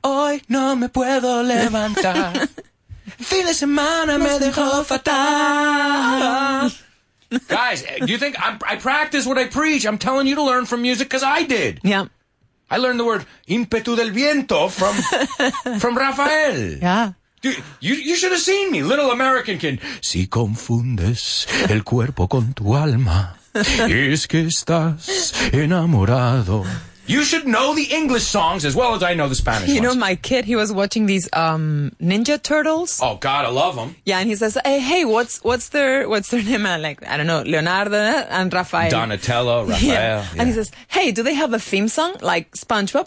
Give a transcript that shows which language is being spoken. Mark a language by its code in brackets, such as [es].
[es] Learned, hoy no me puedo levantar. Fin de semana me dejó fatal. [en] Guys, do you think I practice what I preach? I'm telling you to learn from music because I did. Yeah. I learned the word [es] ímpetu del viento [en] from Rafael. Yeah. Dude, you should have seen me, little American kid. [es] Si confundes el cuerpo con tu alma, es que estás enamorado. [en] You should know the English songs as well as I know the Spanish ones. You know, my kid, he was watching these Ninja Turtles. Oh, God, I love them. Yeah, and he says, hey, what's their name? I'm like, I don't know, Leonardo and Rafael. Donatello, Rafael. Yeah. Yeah. And he says, hey, do they have a theme song like SpongeBob?